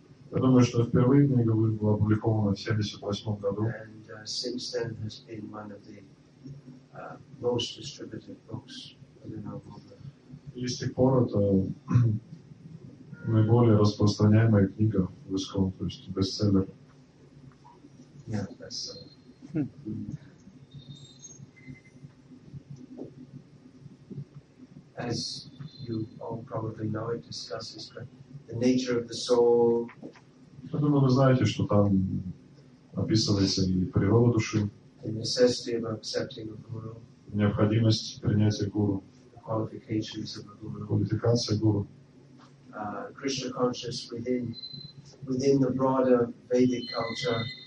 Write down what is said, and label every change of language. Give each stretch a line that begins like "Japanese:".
Russian: Я думаю, что впервые книга была опубликована в 78 году.
English: And since then has been one of the most distributed books within our movement.
Russian: И с тех пор это наиболее распространяемая книга в ИСКО, то есть бестселлер.
English: Yeah, that's so. As you all probably know, it discusses the nature of the soul.
Russian: Я думаю, вы знаете, что там описывается и природа души.
English: The necessity of accepting a guru.
Russian: Необходимость принятия гуру.
English: The qualifications of a guru.
Russian: Квалификация гуру.
English: Krishna consciousness within the broader Vedic culture.